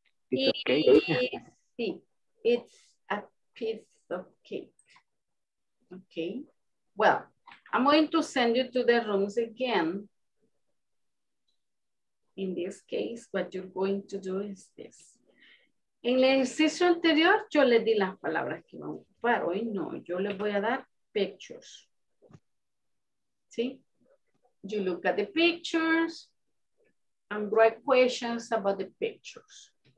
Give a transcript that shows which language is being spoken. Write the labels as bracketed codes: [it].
[en] Easy. It's a piece of cake. Okay. Well, I'm going to send you to the rooms again. In this case, what you're going to do is this. [es] En el ejercicio anterior, yo le di las palabras que vamos a ocupar. Hoy no, yo les voy a dar pictures. ¿Sí? [en] You look at the pictures and write questions about the pictures.